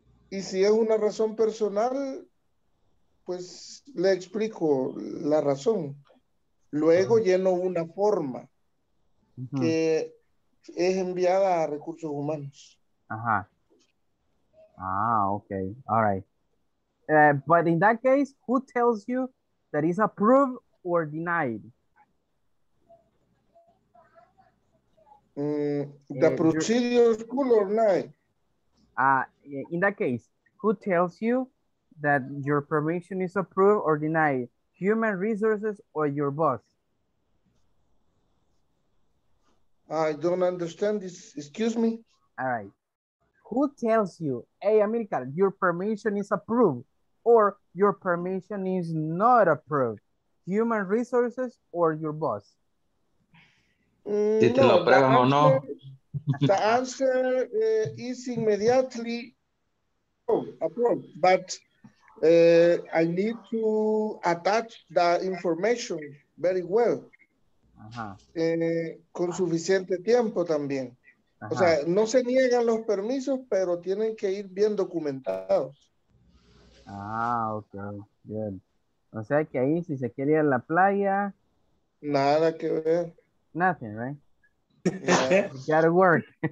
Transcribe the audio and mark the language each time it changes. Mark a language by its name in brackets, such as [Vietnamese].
[Spanish] Y si es una razón personal, pues le explico la razón. Luego lleno una forma que es enviada a recursos humanos. [English] Ajá. Ah, okay. All right. But in that case, who tells you that it's approved or denied? The procedure school or not? In that case, who tells you that your permission is approved or denied? Human resources or your boss? I don't understand this. Excuse me. All right. Who tells you, hey, Amilcar, your permission is approved or your permission is not approved? Human resources or your boss? No. The answer is immediately approved, but I need to attach the information very well. Uh-huh. [Spanish] Con suficiente tiempo también. Uh-huh. O sea, no se niegan los permisos, pero tienen que ir bien documentados. [English] Ah, okay, good. [Spanish] O sea, que ahí si se quiere ir a la playa. Nada que ver. [English] Nothing, right? Yeah. Gotta work.